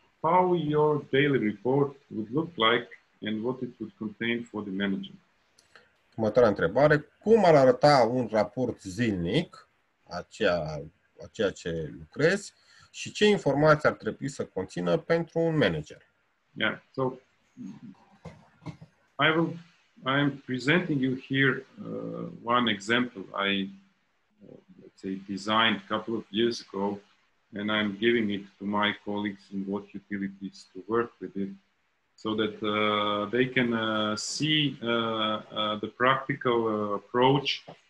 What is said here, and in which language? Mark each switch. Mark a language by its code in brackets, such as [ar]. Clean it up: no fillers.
[en] How your daily report would look like and what it would contain for the manager? [ro] Următoarea întrebare. Cum ar arăta un raport zilnic, ceea ce lucrezi și ce informații ar trebui să conțină pentru un manager. [en] Yeah, so I am presenting you here one example I let's say designed a couple of years ago, and I'm giving it to my colleagues in both utilities to work with it so that they can see the practical approach